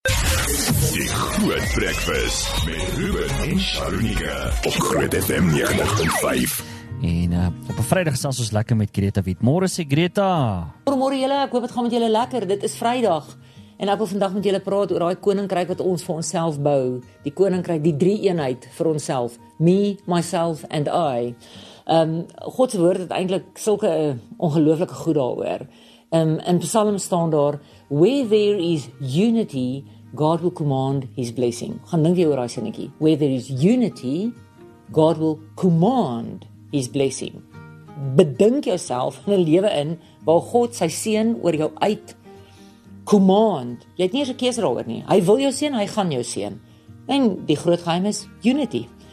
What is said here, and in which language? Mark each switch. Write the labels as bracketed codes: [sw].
[af] Die Groot Breakfast met Ruben en Sharunika op Groot FM 90.5. En op 'n Vrydag sels ons lekker met Greta Wit. Môre sê Greta. Goeiemôre julle, ek hoop dit gaan met julle lekker. Dit is Vrydag. En ek wil vandag met julle praat oor daai koninkryk wat ons vir onsself bou. Die koninkryk, die drie eenheid vir onsself. [en] Me, myself and I. [af] God se woord het eintlik sulke 'n ongelooflike goed daaroor. In Psalm staan daar, [en] where there is unity, God will command his blessing. [af] Gaan dink jy oor daai sinnetjie. [en] Where there is unity, God will command his blessing. [af] Bedink jouself in 'n lewe in waar God sy seën oor jou uit command. Jy het nie eens 'n keuse daaroor nie. Hy wil jou seën, hy gaan jou seën. En die groot geheim is unity.